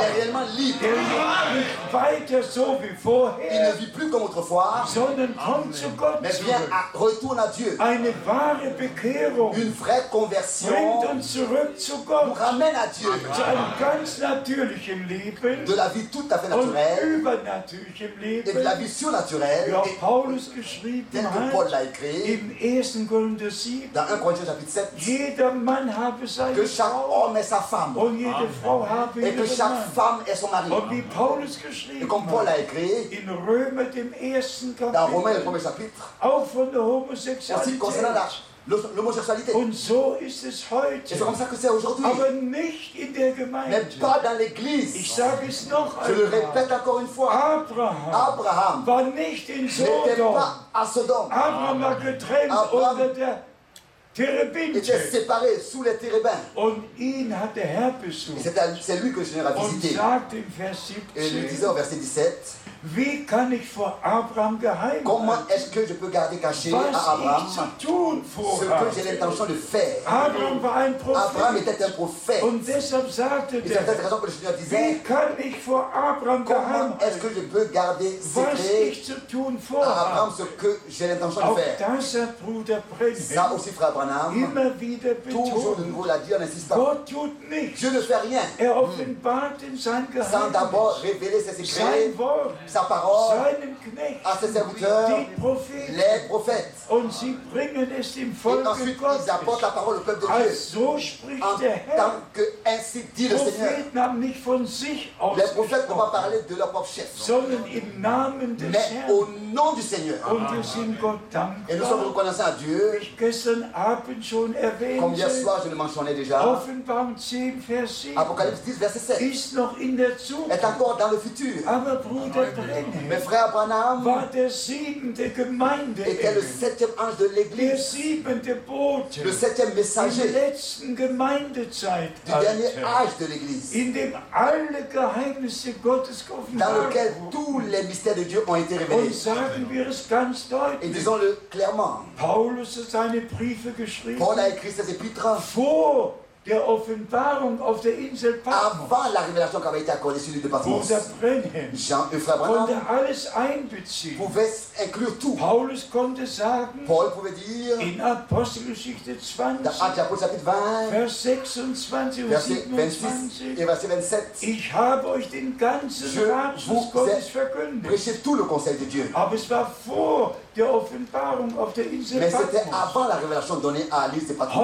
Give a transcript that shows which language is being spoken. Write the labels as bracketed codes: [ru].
[de] Der ist [fr] réellement libre. [de] Der lebt nicht weiter so wie vorher. [fr] Il ne vit plus comme autrefois. [de] Sondern kommt zu Gott. [fr] Mais bien retourne à Dieu. [de] Eine wahre Bekehrung. [fr] Une vraie conversion. [de] Bringt uns zurück zu Gott. [fr] Nous ramène à Dieu. [de] Zu einem ganz natürlichen Leben. [fr] De la vie tout à fait naturelle. [de] Und übernatürlichem Leben. [fr] Et de la vie surnaturelle. [de] Wie auch Paulus geschrieben hat. [fr] Paul l'a écrit. [de] Im 1. Korinther 7. [fr] Dans 1 Corinthiens chapitre 7. [de] Jeder Mann habe sein. [fr] Que chaque homme ait sa femme et que chaque femme ait son mari. Et comme Paul a écrit dans Romains le premier chapitre aussi concernant la l'homosexualité. [de] Und so ist es heute. [fr] Et c'est comme ça que c'est aujourd'hui. [de] Aber nicht in der Gemeinde. [fr] Mais pas dans l'église. [de] Ich sage es noch [fr] je le répète encore une fois. [de] Abraham war nicht in Sodom. [fr] N'était pas à Sodom. [de] Abraham war getrennt Abraham unter der Térébinche. [fr] Il était séparé sous les térébins. [de] Und ihn hat der Herr besucht. [fr] C'est lui que le Seigneur a visité. [de] Sagt im Vers 17, [fr] et lui disait au verset 17. [de] Wie kann ich vor Abraham geheim [fr] comment est-ce que je peux garder caché [de] was [fr] à Abraham [de] ich tun vor [fr] ce que j'ai l'intention de faire? [de] Abraham, war ein prophète. [fr] Abraham était un prophète. [de] Und deshalb sagte [fr] et c'est cette raison que le Seigneur disait. [de] Wie kann ich vor Abraham [fr] comment [de] geheim [fr] est-ce que je peux garder secret à Abraham ce que j'ai l'intention [de] auch [fr] de faire? [de] Das hat Bruder Brennan [fr] ça aussi, frère Branham, [de] immer wieder betont. [fr] Toujours de nouveau l'a dit en insistant. [de] Gott tut nichts. [fr] Dieu ne fait rien. [de] Er offenbart in sein Geheimnis. [fr] Sans d'abord révéler ses secrets. [de] Sein Wort. [fr] Sa parole à ses serviteurs, les prophètes. [de] Und sie bringen es dem Volk [fr] et ensuite, [de] Gottes. [fr] Ils apportent la parole au peuple de Dieu. [de] Also, spricht [fr] en [de] der Herr. [fr] Tant que ainsi dit le Seigneur. [de] Nicht von sich aus [fr] les prophètes n'ont pas parlé de leur propre chef. [de] Sondern im Namen des [fr] mais [de] Herrn. [fr] Au nom du Seigneur. [de] Und wir sind Gott dankbar. [fr] Et nous sommes reconnaissants à Dieu. [de] Ich gestern Abend schon erwähnt, [fr] comme hier soir, je le mentionnais déjà. [de] Offenbarung 10, Vers 7. [fr] Apocalypse 10, verset 7. [de] Ist noch in der Zukunft. [fr] Est encore dans le futur. [de] Aber Bruder Brenner, [fr] mais frère Branham [de] war der siebente Gemeinde [fr] était le septième. Le septième ange de l'Église, [de] der siebente Bote, [fr] le septième messager, [de] in letzten Gemeindezeit, [fr] du dernier âge de l'Église, [de] in dem alle Geheimnisse Gottes offenbart, [fr] dans lequel tous les mystères de Dieu ont été révélés. [de] Und sagen wir es ganz deutlich, [fr] et disons-le clairement, [de] Paulus hat seine Briefe geschrieben, [fr] Paul a écrit ses épîtres, [de] vor der Offenbarung auf der Insel Patmos. [fr] Avant la révélation qui avait été accordée sur l'île de Patmos. Jean et frère Branham. [de] Konnte alles einbeziehen. [fr] Pouvait inclure tout. [de] Paulus konnte sagen. [fr] Paul pouvait dire. [de] In Apostelgeschichte 20. [fr] Dans Actes chapitre 20. [de] Vers 26 und 27. [fr] Et verset 27. [de] Ich habe euch den ganzen Ratschluss Gottes verkündet. [fr] Prêchez tout le conseil de Dieu. [de] Aber es war vor der Offenbarung auf der Insel Patmos. [fr] Mais c'était avant la révélation donnée à l'île de Patmos.